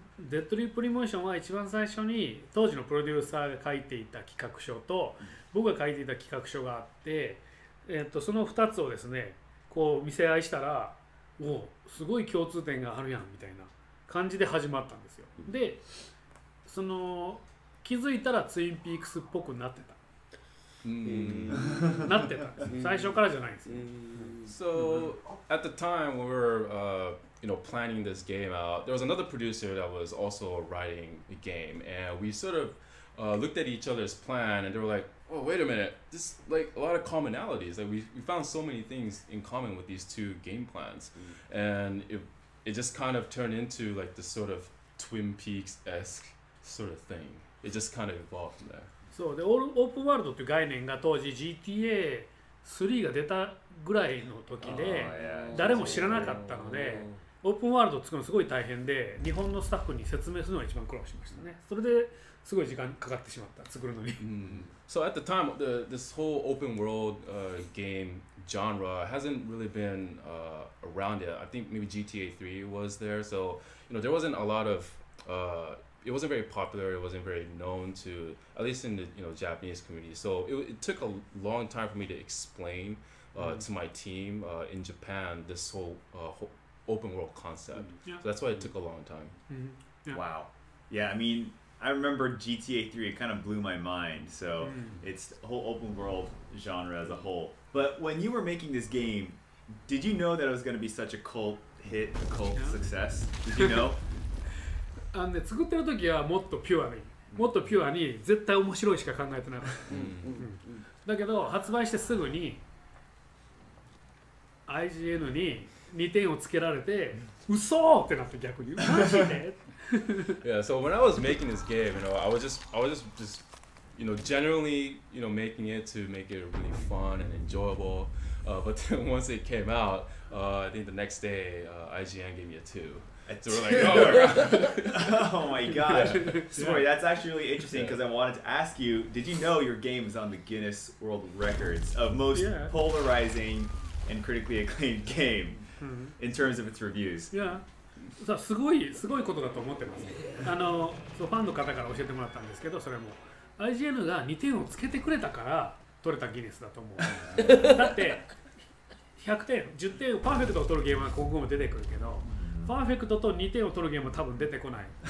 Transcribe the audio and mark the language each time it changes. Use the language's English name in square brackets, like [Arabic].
[Japanese] デッドリープリモーションは一番最初に当時のプロデューサーが書いていた企画書と僕が書いていた企画書があって、その2つをですねこう見せ合いしたらおおすごい共通点があるやんみたいな感じで始まったんですよ。でその気づいたらツインピークスっぽくなってた。うん、なってたんです。最初からじゃないんですよ。 [English] So at the time we were you know, planning this game out, there was another producer that was also writing a game, and we sort of looked at each other's plan, and they were like, oh, wait a minute, this like a lot of commonalities. Like we found so many things in common with these two game plans. Mm-hmm. And it just kind of turned into like this sort of Twin Peaks-esque sort of thing. It just kind of evolved from there. [Japanese] So the open world という概念が当時 GTA 3が出たぐらいの時で誰も知らなかったのでオープンワールドを作るのすごい大変で日本のスタッフに説明するのが一番苦労しましたね。それですごい時間かかってしまった作るのに。 Mm-hmm. [English] So at the time, this whole open world game genre hasn't really been around yet. I think maybe GTA 3 was there. So you know, there wasn't a lot of it wasn't very popular. It wasn't very known to at least in the you know Japanese community. So it took a long time for me to explain to my team in Japan this whole open world concept. Mm-hmm. Yeah. So that's why it took a long time. Mm-hmm. Yeah. Wow. Yeah, I mean, I remember GTA 3, it kind of blew my mind. So it's the whole open world genre as a whole. But when you were making this game, did you know that it was going to be such a cult hit, a cult success? Did you know? [Japanese] And the 作ってる時はもっとピュアに、もっとピュアに絶対面白いしか考えてなかった。だけど発売してすぐに IGN に2点をつけられて、嘘ってなって逆に、マジで。 [English] Yeah, so when I was making this game, you know, I was just, you know, generally, you know, making it to make it really fun and enjoyable. But then once it came out, I think the next day, IGN gave me a 2. So we're like, oh my gosh. Oh my gosh. Sorry, that's actually really interesting because I wanted to ask you, did you know your game is on the Guinness World Records of most polarizing and critically acclaimed game? Mm-hmm. In terms of its reviews. Yeah. [Japanese] さあすごいすごいことだと思ってます。あのそうファンの方から教えてもらったんですけど、それも IGN が2点をつけてくれたから取れたギネスだと思う。だって100点、10点をパーフェクトを取るゲームは今後も出てくるけど、パーフェクトと2点を取るゲームは多分出てこない。